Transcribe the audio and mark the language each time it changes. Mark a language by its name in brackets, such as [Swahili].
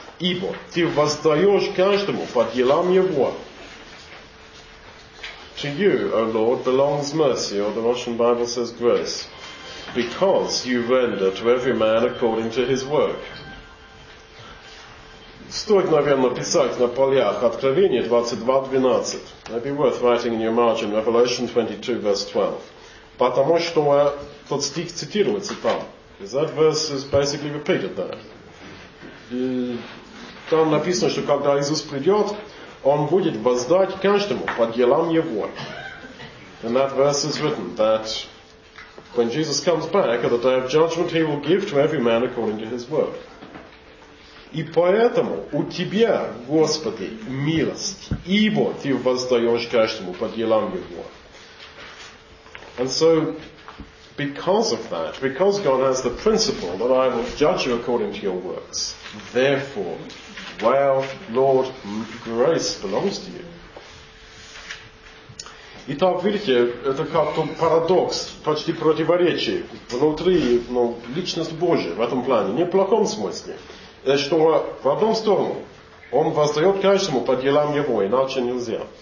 [Russian] Ибо ты воздаешь каждому по делам его. [English] To you, O Lord, belongs mercy, or the Russian Bible says grace, because you render to every man according to his work. [Russian] Стоит, наверное, писать на полях Откровение 22:12. [English] It'd be worth writing in your margin Revelation 22:12. [Russian] Потому что тот стих цитируется там. [English] Because that verse is basically repeated there. [Russian] Там написано, что когда Иисус придет, Он будет воздать каждому по делам Его. [English] And that verse is written that when Jesus comes back at the day of judgment, he will give to every man according to his work. [Russian] И поэтому у тебя, Господи, милость, ибо ты воздаешь каждому по делам его. [English] And so, because of that, because God has the principle that I will judge you according to your works, therefore, well, Lord, grace belongs to you. [Russian] Итак, видите, это как-то парадокс, почти противоречие внутри, ну, личность Божия в этом плане, не в плохом смысле. Что в одну сторону он воздает каждому по делам его, иначе нельзя.